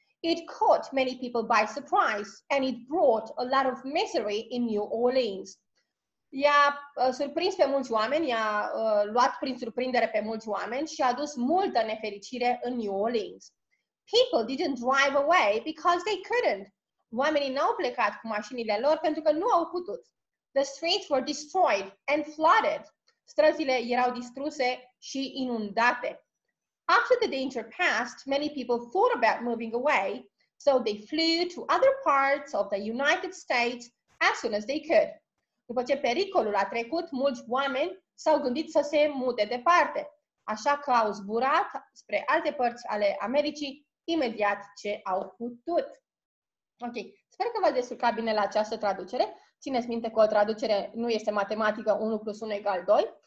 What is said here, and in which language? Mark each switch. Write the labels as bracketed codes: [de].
[en] It caught many people by surprise and it brought a lot of misery in New Orleans. [ro] I-a surprins pe mulți oameni, i-a luat prin surprindere pe mulți oameni și a dus multă nefericire în New Orleans. [en] People didn't drive away because they couldn't. [ro] Oamenii n-au plecat cu mașinile lor pentru că nu au putut. [en] The streets were destroyed and flooded. [ro] Străzile erau distruse și inundate. [en] After the danger passed, many people thought about moving away, so they flew to other parts of the United States as soon as they could. [ro] După ce pericolul a trecut, mulți oameni s-au gândit să se mute departe, așa că au zburat spre alte părți ale Americii imediat ce au putut. Ok, sper că v-ați descurcat bine la această traducere. Țineți minte că o traducere nu este matematică 1 plus 1 egal 2.